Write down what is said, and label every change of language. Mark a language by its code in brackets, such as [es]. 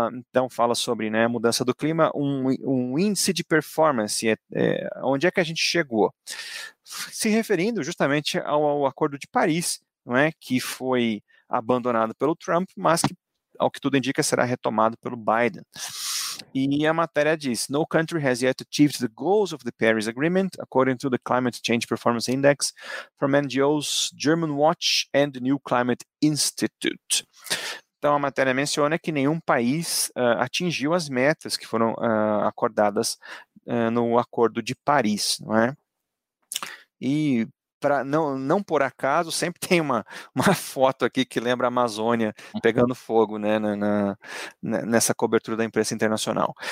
[pt] Então, fala sobre, né, a mudança do clima, um índice de performance, onde é que a gente chegou? Se referindo justamente ao Acordo de Paris, não é? Que foi abandonado pelo Trump, mas que, ao que tudo indica, será retomado pelo Biden. E a matéria diz, [en] no country has yet achieved the goals of the Paris Agreement, according to the Climate Change Performance Index, from NGOs German Watch and the New Climate Institute. [pt] Então, a matéria menciona que nenhum país atingiu as metas que foram acordadas no Acordo de Paris, não é? E não por acaso, sempre tem uma foto aqui que lembra a Amazônia pegando fogo, né, nessa cobertura da imprensa internacional.